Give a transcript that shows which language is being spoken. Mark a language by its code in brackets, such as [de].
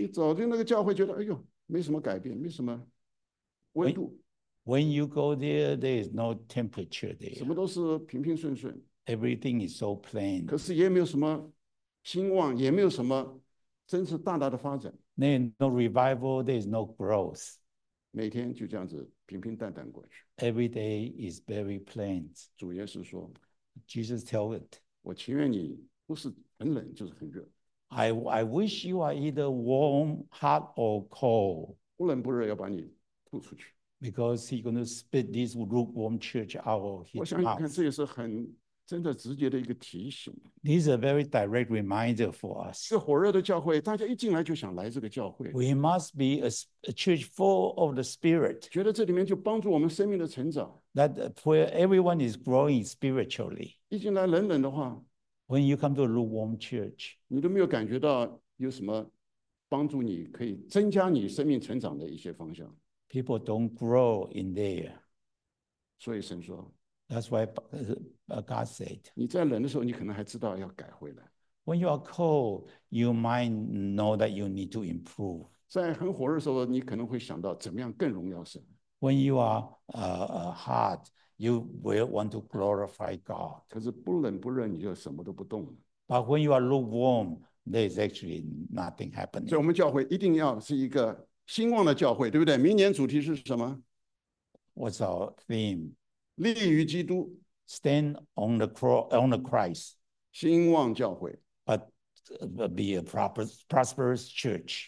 [zh] 你走进那个教会，觉得哎呦，没什么改变，没什么。 [en] When you go there, there is no temperature there. [zh] 什么都是平平顺顺。 [en] Everything is so plain. [zh] 可是也没有什么兴旺，也没有什么真是大大的发展。 [en] There is no revival. There is no growth. [zh] 每天就这样子平平淡淡过去。 [en] Every day is very plain. [zh] 主耶稣说 [en] ，Jesus tell it. [zh] 我情愿你不是很冷，就是很热。 [en] I wish you are either warm, hot or cold. [zh] 不冷不热要把你。 [en] Because he's going to spit this lukewarm church out of his [zh] mouth. 真的直接的一个提醒。 [en] This is a very direct reminder for us. [zh] 这火热的教会，大家一进来就想来这个教会。 [en] We must be a church full of the Spirit. [zh] 觉得这里面就帮助我们生命的成长。 [en] That where everyone is growing spiritually. [zh] 一进来冷冷的话。 [en] When you come to a lukewarm church. [zh] 你都没有感觉到有什么帮助你可以增加你生命成长的一些方向。 [en] People don't grow in there. [zh] 所以神说 [en] That's why God said. [zh] 你在冷的时候，你可能还知道要改回来。 [en] When you are cold, you might know that you need to improve. [zh] 在很火热的时候，你可能会想到怎么样更荣耀神。 [en] When you are hot, you will want to glorify God. [zh] 可是不冷不热，你就什么都不动了。 [en] But when you are lukewarm, there is actually nothing happening. [zh] 所以我们教会一定要是一个。兴旺的教会，对不对？明年主题是什么 [en] ？What's our theme？ [zh] 立于基督 [en] ，Stand on the cross, on the Christ。 [zh] 兴旺教会 [en] ，But be a prosperous church。